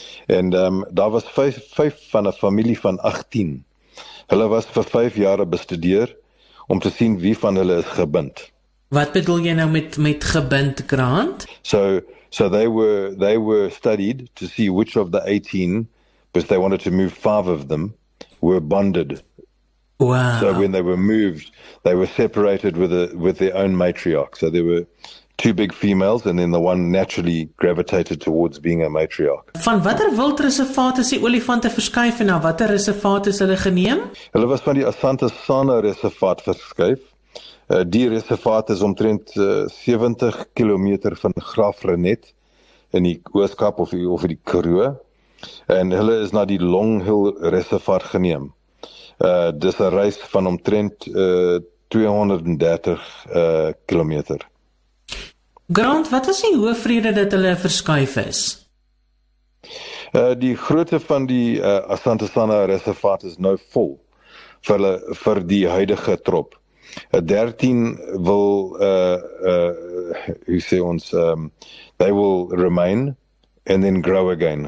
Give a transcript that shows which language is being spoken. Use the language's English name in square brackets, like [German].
[Afrikaans] En daar was 5 van 'n familie van 18. Hulle was vir 5 jare bestudeer om te sien wie van hulle is gebind. Wat bedoel jy nou met gebind, Grant? [English] So they were studied to see which of the 18, because they wanted to move 5 of them, were bonded. Wow. So when they were moved, they were separated with their own matriarch. So there were 2 big females and then the one naturally gravitated towards being a matriarch. [Afrikaans] Van watter wildreservaat is die olifante verskuif en na watter reservaat is hulle geneem? Hulle was van die Asante Sana reservaat verskuif. Die reservaat is omtrent 70 kilometer van Graaf Reinet in die Ooskaap of over die Karoo. En hulle is na die Long Hill reservaat geneem. Dis een reis van omtrent 230 kilometer. Grant, wat is die hoofrede dat hulle verskuif is? Die grootte van die Asantesana reservaat is nou vol vir die huidige trop. [English] 13 [Afrikaans] wil, hoe sê ons, [English] they will remain and then grow again.